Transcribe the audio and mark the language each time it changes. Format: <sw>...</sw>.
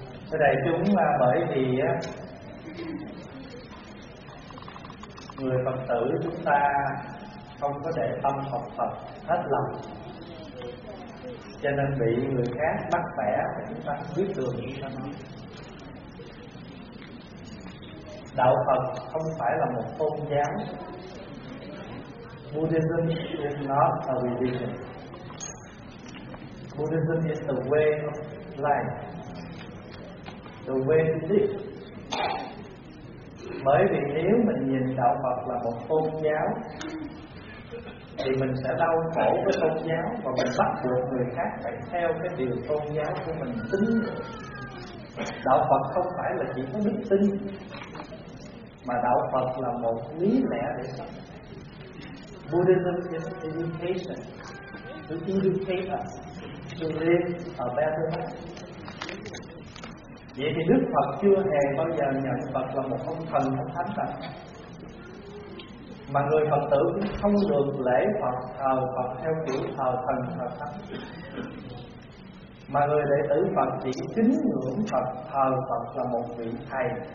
<vi>Thưa đại chúng, bởi vì người Phật tử chúng ta không có để tâm học Phật hết lòng, cho nên bị người khác bắt bẻ thì chúng ta biết đường như thế nào. Đạo Phật không phải là một tôn giáo.</vi> <en>Buddhism is not a religion. Buddhism is the way of life, the way to live.</en> <vi>Bởi vì nếu mình nhìn đạo Phật là một tôn giáo thì mình sẽ đau khổ với tôn giáo, và mình bắt buộc người khác phải theo cái điều tôn giáo của mình tin. Đạo Phật không phải là chỉ có đức tin, mà đạo Phật là một lý lẽ để sống.</vi> <en>Buddhism is education, to educate us to live a better life.</en> <vi>Vậy thì Đức Phật chưa hề bao giờ nhận Phật là một ông thần hay thánh cả. Mà người Phật tử cũng không được lễ Phật, thờ Phật theo kiểu thờ thần thờ thánh. Mà người đệ tử Phật chỉ kính ngưỡng Phật, thờ Phật là một vị thầy.</vi>